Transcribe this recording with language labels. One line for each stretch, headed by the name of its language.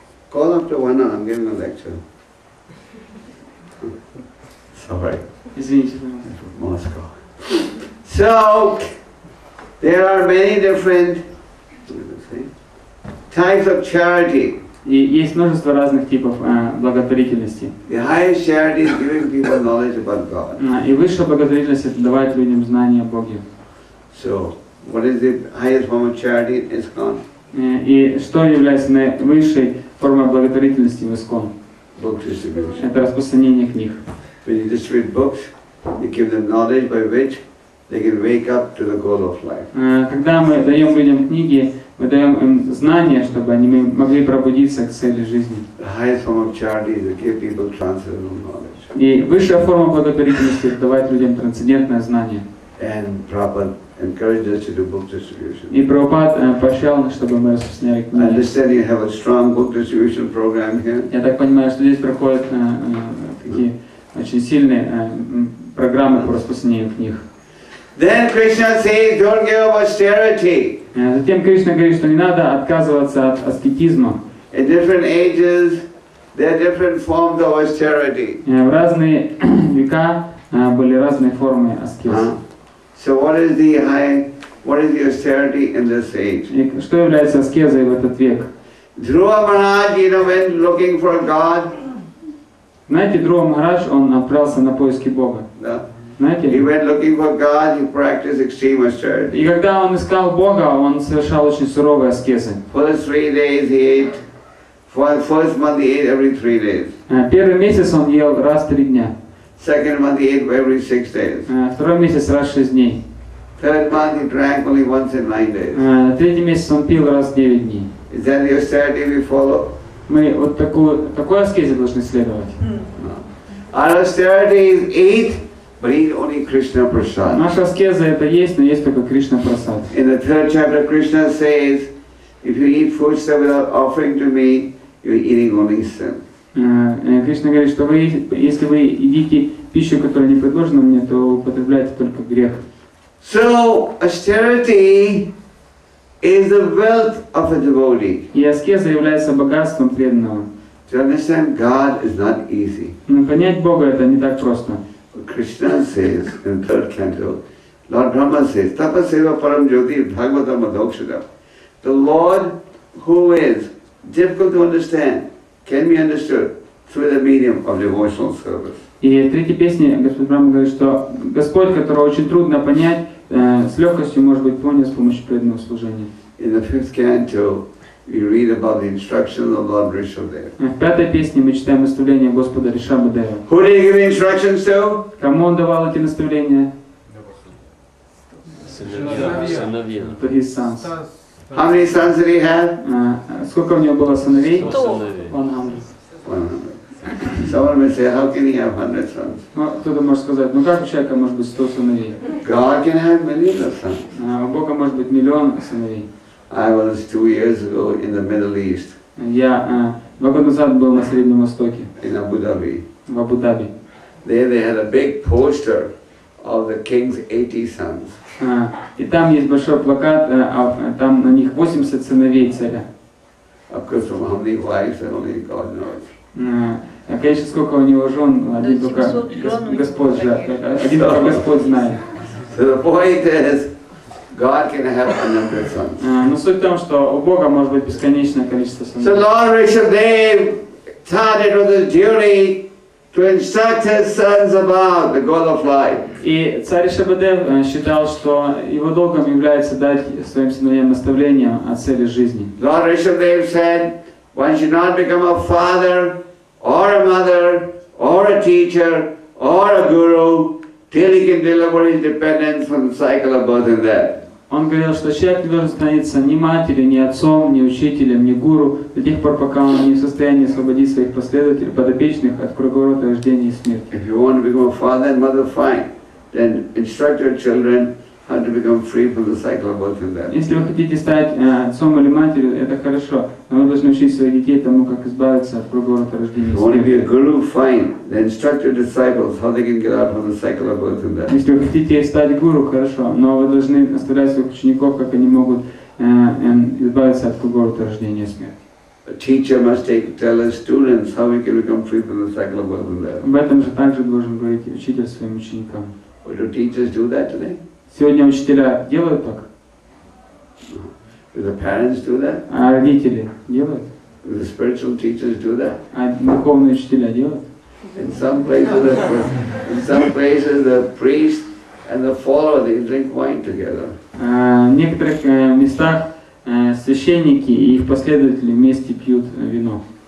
English: Call after one hour, I'm giving a lecture. Sorry.
Russian: Извините.
English: Moscow. So, there are many different types of charity.
Russian: И есть множество разных типов благотворительности.
English: The highest charity is giving people knowledge about God.
Russian: И высшая благотворительность — это давать людям знания о Боге.
English: So, what is the highest form of charity in ISKCON?
Russian: И что является наивысшей формой благотворительности в ISKCON?
English: Book distribution.
Russian: Это распространение книг.
English: When you distribute books, you give them knowledge by which they can wake up to the goal of life.
Russian: Когда мы даем людям книги, мы даем им знания, чтобы они могли пробудиться к цели жизни.
English: The highest form of charity is to give people transcendental knowledge.
Russian: И высшая форма благотворительности — это давать людям трансцендентное знание.
English: And Prabhupada encouraged us to do book distribution.
Russian: И Прабхупада поощрял нас, чтобы мы распространяли книги.
English: I understand you have a strong book distribution program here.
Russian: Я так понимаю, что здесь проходят такие очень сильные программы по распространению книг.
English: Then Krishna says, don't give up austerity.
Russian: Затем Кришна говорит, что не надо отказываться от аскетизма.
English: In different ages, there are different forms of austerity.
Russian: В разные века были разные формы аскезы.
English: So what is the high, what is the austerity in this age?
Russian: Что является аскезой в этот век?
English: Dhruva Maharaj, you know, went looking for God.
Russian: Знаете, Dhruva Maharaj, он отправился на поиски Бога.
English: He went looking for God. He practiced extreme austerity.
Russian: И когда он искал Бога, он совершал очень суровые аскезы.
English: For 3 days he ate. For the first month he ate every 3 days.
Russian: Первый месяц он ел раз в 3 дня.
English: Second month he ate every 6 days.
Russian: Второй месяц раз в 6 дней.
English: Third month he drank only once in 9 days.
Russian: Третий месяц он пил раз в 9 дней.
English: Is that the austerity we follow?
Russian: Мы вот такой аскезе должны следовать.
English: Our austerity is eat. But eat only Krishna prasad.
Russian: Наша аскеза — это есть, но есть только Кришна прасад.
English: In the third chapter, Krishna says, if you eat food without offering to me, you're eating only sin.
Russian: Кришна говорит, что вы, если вы едите пищу, которая не предложена мне, то употребляете только грех.
English: So austerity is the wealth of a devotee.
Russian: И аскеза является богатством преданного.
English: To understand God is not easy.
Russian: Понять Бога — это не так просто.
English: Krishna says in the third canto, Lord Brahma says,
Sanskrit: Tapaseva Param Jyoti Bhagavatam Adokshita.
English: The Lord who is difficult to understand can be understood through the medium of devotional service.
Russian: И в третьей песне Господь Брахма говорит, что Господь, которого очень трудно понять, с легкостью может быть понят с помощью преданного служения.
English: In the fifth canto, we read about the instructions of Lord Rishabhadeva.
Russian: В пятой песне мы читаем наставления Господа Ришабхадевы.
English: Who did he give the instructions to?
Russian: Кому он давал эти наставления? Сыновья.
English: His sons. How many sons did he have?
Russian: Сколько у него было сыновей? 100 сыновей. 100.
English: Someone may say, how can he have 100 sons?
Russian: Кто-то может сказать, ну как у человека может быть 100 сыновей?
English: God can have millions of sons.
Russian: У Бога может быть 1 000 000 сыновей.
English: I was 2 years ago in the Middle East.
Russian: Я 2 года назад был на Среднем Востоке.
English: In Abu Dhabi.
Russian: В Абу-Даби.
English: There they had a big poster of the king's 80 sons.
Russian: И там есть большой плакат, там на них 80 сыновей царя.
English: Of course, from how many wives, only God knows.
Russian: Конечно, сколько у него жен, один только Господь знает. Один только Господь знает.
English: So the point is, God can have unlimited sons.
Russian: Но суть в том, что у Бога может быть бесконечное количество сыновей.
English: So Lord Rishabhadev thought it was his duty to instruct his sons about the goal of life.
Russian: И царь Ришабхадев считал, что его долгом является дать своим сыновьям наставление о цели жизни.
English: Lord Rishabhadev said, one should not become a father or a mother or a teacher or a guru till he can deliver his dependence from the cycle of birth and death.
Russian: Он говорил, что человек не должен становиться ни матерью, ни отцом, ни учителем, ни гуру до тех пор, пока он не в состоянии освободить своих последователей, подопечных от круговорота рождения и смерти.
English: If you want to become a father and mother, fine. Then instruct your children how to become free from the cycle of birth and death.
Russian: Если вы хотите стать отцом или матерью, это хорошо, но вы должны учить своих детей тому, как избавиться от круга рождения и смерти.
English: If you want to be a guru, fine. Then instruct your disciples how they can get out from the cycle of birth and death.
Russian: Если вы хотите стать гуру, хорошо, но вы должны наставлять своих учеников, как они могут избавиться от круга рождения и смерти.
English: A teacher must tell his students how he can become free from the cycle of birth and death.
Russian: Об этом же также должен говорить учитель своим ученикам.
English: Would your teachers do that today?
Russian: Сегодня учителя делают так?
English: Do the parents do that?
Russian: А родители делают?
English: Do the spiritual teachers do that?
Russian: А духовные учителя делают?
English: In some places the priest and the follower, they drink wine together.
Russian: В некоторых местах священники и их последователи вместе пьют вино.